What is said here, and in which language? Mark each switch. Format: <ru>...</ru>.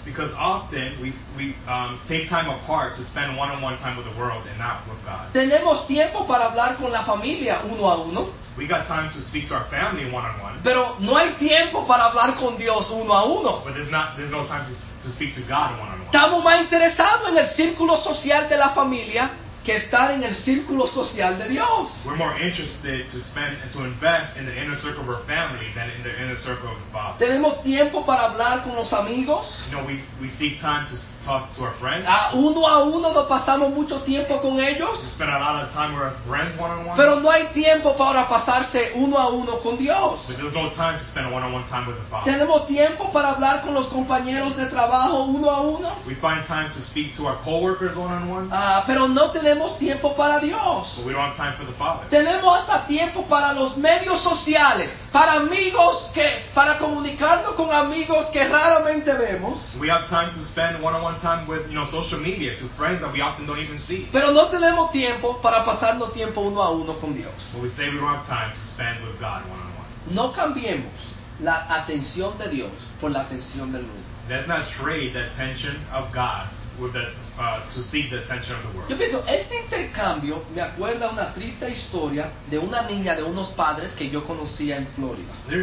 <en>Because often we take time apart to spend one-on-one time with the world and not with God.</en> <es>Tenemos tiempo para hablar con la familia uno a uno.</es> <en>We got time to speak to our family one-on-one.</en> <es>Pero no hay tiempo para hablar con Dios uno a uno.</es> <en>But there's no time to speak to God one-on-one.</en> <es>Estamos más interesados en el círculo social de la familia que estar en el círculo social de Dios.</es> <en>We're more interested to spend and to invest in the inner circle of our family than in the inner circle of the Father.</en> <es>Tenemos tiempo para hablar con los amigos.</es> <en>You know, we seek time to talk to our friends.</en> <es>Uno a uno nos pasamos mucho tiempo con ellos.</es> <en>We spend a lot of time with our friends one-on-one.</en> <es>Pero no hay tiempo para pasarse uno a uno con Dios.</es> <en>But there's no time to spend one-on-one time with the Father.</en> <es>Tenemos tiempo para hablar con los compañeros de trabajo uno a uno.</es> <en>We find time to speak to our coworkers one-on-one.</en> <es>Pero no tenemos tiempo para Dios.</es> <en>But we don't have time for the Father.</en> <es>Tenemos hasta tiempo para los medios sociales, para amigos que, para comunicarnos con amigos que raramente vemos.</es> <en>We have time to spend one-on-one time with, you know, social media, to friends that we often don't even see.</en> <es>Pero no tenemos tiempo para pasarnos tiempo uno a uno con Dios.</es> <en>But we say we don't have time to spend with God one-on-one.</en> <es>No cambiemos la atención de Dios por la atención del mundo.</es> <en>Let's not trade the attention of God with to seek the attention of the world.</en> <es>Yo pienso, este intercambio me acuerda una triste historia de una niña de unos padres que yo conocía en Florida.</es>